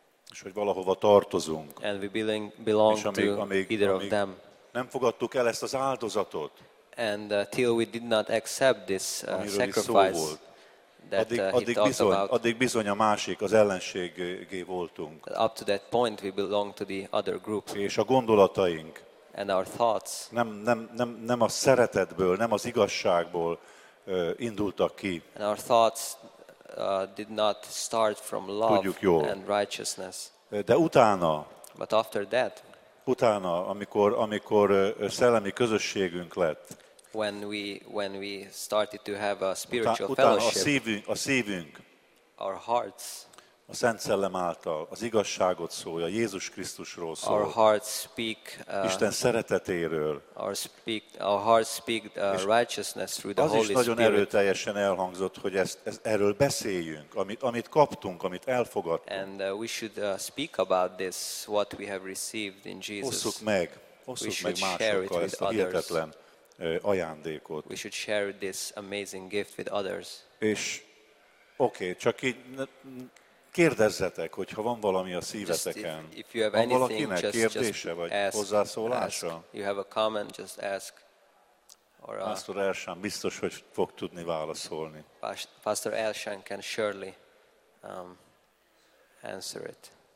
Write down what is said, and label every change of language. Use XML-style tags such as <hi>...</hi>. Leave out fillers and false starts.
<hu>És hogy valahova tartozunk.</hu> <en>And we belong to either of them.</en> <hu>Nem fogadtuk el ezt az áldozatot.</hu> <en>And till we did not accept this sacrifice.</en> <hu>Addig bizony a másik, az ellenségé voltunk.</hu> <en>Up to that point we belong to the other group.</en> <hu>És a gondolataink.</hu> <en>And our thoughts.</en> <hu>Nem a szeretetből, nem az igazságból indultak ki.</hu> <en>And our thoughts did not start from love and righteousness.</en> <hu>De utána.</hu> <en>But after that.</en> <hu>Utána, amikor szellemi közösségünk lett.</hu> <en>When we started to have a spiritual fellowship.</en> <hu>A szívünk.</hu> <en>Our hearts.</en> <hu>A Szent Szellem által az igazságot szólja, Jézus Krisztusról szól.</hu> <en>Our hearts speak.</en> <hu>Isten szeretetéről.</hu> <en>Our hearts speak righteousness through the Holy Spirit.</en> <hu>Az is nagyon erőteljesen elhangzott, hogy ez erről beszéljünk, amit kaptunk, amit elfogadtunk.</hu> <en>And we should speak about this, what we have received in Jesus.</en> <hu>Osszuk meg másokkal ezt a hihetetlen ajándékot.</hu> <en>We should share this amazing gift with others.</en> <hu>És Oké, okay, csak így kérdezzetek, hogyha van valami a szíveteken. Van valakinek kérdése vagy hozzászólása?</hu> <en>You have a comment, just ask.</en> <hu>Pastor Elshan biztos, hogy fog tudni válaszolni.</hu> <en>Pastor Elshan can surely answer it.</en>